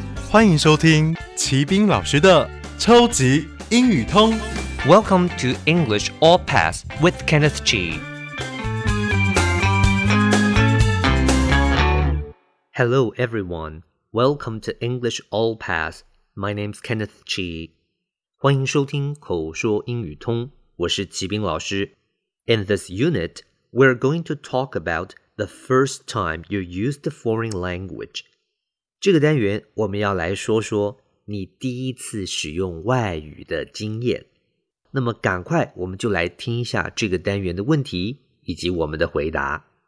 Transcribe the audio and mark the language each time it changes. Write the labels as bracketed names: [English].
[Chinese] 欢迎收听齐宾老师的超级英语通。 [English] Welcome to English All Pass with Kenneth G. Hello, everyone. Welcome to English All Pass. My name's Kenneth G. [Chinese] 欢迎收听口说英语通。我是齐宾老师。 [English] In this unit, we're going to talk about the first time you used a foreign language. [Chinese] 这个单元我们要来说说你第一次使用外语的经验。那么赶快我们就来听一下这个单元的问题以及我们的回答。